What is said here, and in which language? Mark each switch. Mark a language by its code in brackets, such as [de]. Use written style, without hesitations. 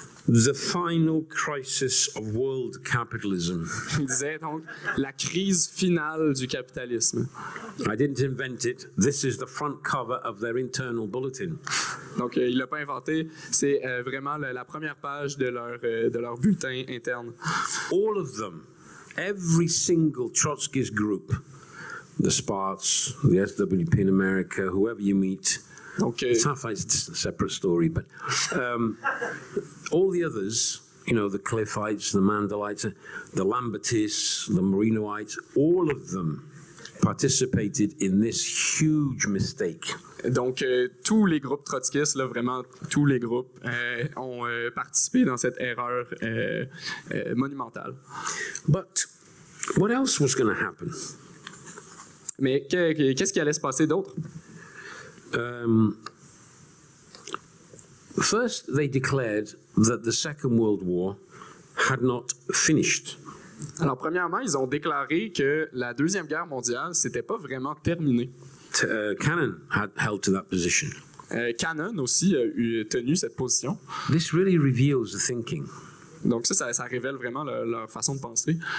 [en] the final crisis of world capitalism. [fr] Il disait donc la crise finale du capitalisme. [en] I didn't invent it. This is the front cover of their internal bulletin. [fr] Donc il l'a pas inventé. C'est vraiment la première page de leur bulletin interne. [en] All of them, every single Trotsky's group, the Sparts, the SWP in America, whoever you meet. Okay. It's half like it's a separate story, but all the others, you know, the Cliffites, the Mandelites, the Lambertists, the Marinoites, all of them participated in this huge mistake. [fr] Donc, tous les groupes trotskistes, là, vraiment tous les groupes, ont participé dans cette erreur monumentale. [en] But what else was going to happen? [fr] Mais qu'est-ce qui allait se passer d'autre? [en] First, they declared that the Second World War had not finished. [fr] Alors, premièrement, ils ont déclaré que la Deuxième Guerre mondiale n'était pas vraiment terminée. [en] Cannon had held to that position. [fr] Cannon aussi a tenu cette position. [en] This really reveals the thinking. [fr] Donc ça révèle vraiment leur façon de penser.